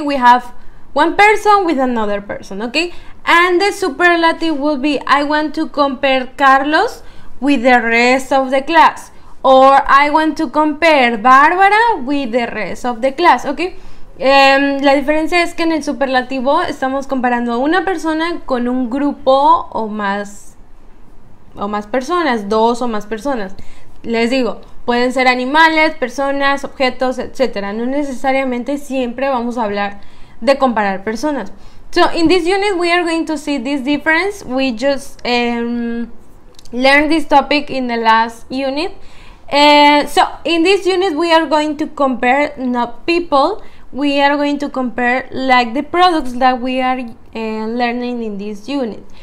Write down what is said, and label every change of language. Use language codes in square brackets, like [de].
[en] We have one person with another person, okay? And the superlative will be, I want to compare Carlos with the rest of the class, or I want to compare Bárbara with the rest of the class, okay? [es] La diferencia es que en el superlativo estamos comparando a una persona con un grupo o más personas, dos o más personas. Les digo, pueden ser animales, personas, objetos, etcétera. No necesariamente siempre vamos a hablar de comparar personas. [en] So in this unit we are going to see this difference. We just learned this topic in the last unit. So in this unit we are going to compare not people, we are going to compare like the products that we are learning in this unit.